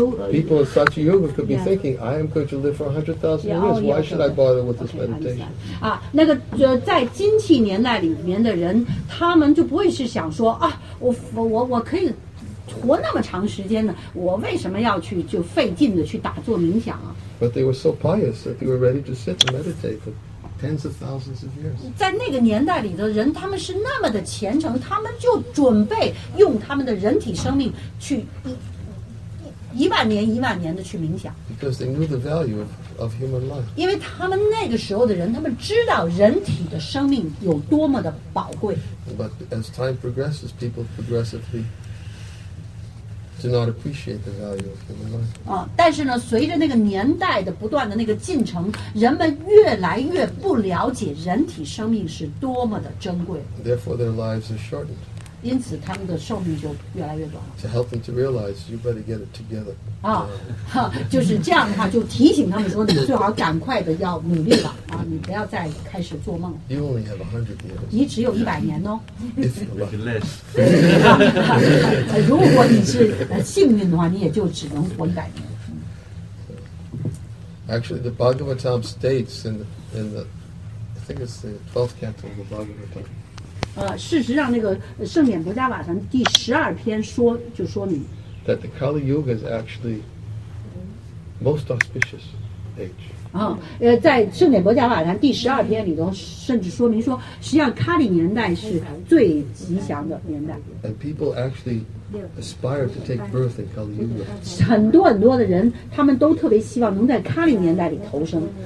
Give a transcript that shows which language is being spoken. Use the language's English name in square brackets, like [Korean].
[English] People in Satya Yoga could be thinking, "I am going to live for 100,000 years. Why should I bother with this meditation?" [Chinese] 那个在金器年代里面的人，他们就不会是想说啊，我可以活那么长时间呢，我为什么要去就费劲的去打坐冥想啊？ [English] But they were so pious that they were ready to sit and meditate for tens of thousands of years. [Chinese] 在那个年代里的人，他们是那么的虔诚，他们就准备用他们的人体生命去一万年一万年的去冥想。 [English] Because they knew the value of human life. [Chinese] 因为他们那个时候的人，他们知道人体的生命有多么的宝贵。 [English] But as time progresses, people progressively do not appreciate the value of human life. [Chinese] 但是呢，随着那个年代的不断的那个进程，人们越来越不了解人体生命是多么的珍贵。 [English] Therefore, their lives are shortened. [Chinese] 因此他们的寿命就越来越短了。 [English] To help them to realize, you better get it together. [Chinese] 就是这样的话，就提醒他们说，你最好赶快的要努力了啊！你不要再开始做梦了。 [English] You only have 100 years. [Chinese] 你只有一百年哦。 [English] If you're less. [Chinese] 如果你是幸运的话，你也就只能活一百年。 [English] Actually, the Bhagavatam states in the, I think it's the 12th canto of the Bhagavatam. [Chinese] 事实上那个圣典博迦瓦坛第十二篇说就说明 [English] that the Kali Yuga is actually most auspicious age. [Chinese] 在圣典博迦瓦坛第十二篇里头甚至说明说实际上卡里年代是最吉祥的年代。 [English] And people actually aspire to take birth in Kali Yuga. [Chinese] 很多很多的人他们都特别希望能在卡里年代里投生。